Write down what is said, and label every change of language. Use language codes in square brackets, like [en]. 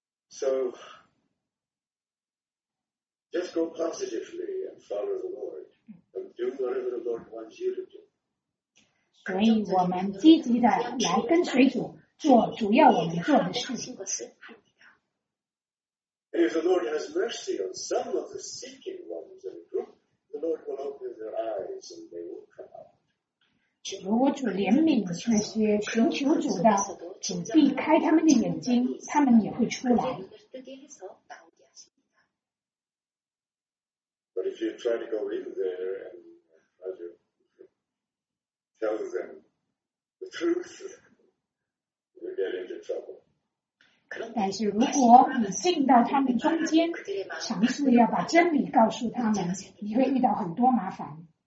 [en] So, just go positively and follow the Lord and do whatever the Lord wants you to do. [zh] 所以我们积极的来跟随主，做主要我们做的事情。 [en] And if the Lord has mercy on some of the seeking ones in the group, the Lord will open their eyes and they will come out. [zh] 如果主怜悯那些寻求主的，主必开他们的眼睛，他们也会出来。 [en] But if you try to go in there and tell them the truth, you get into trouble. [zh] 但是如果你进到他们中间，尝试要把真理告诉他们，你会遇到很多麻烦。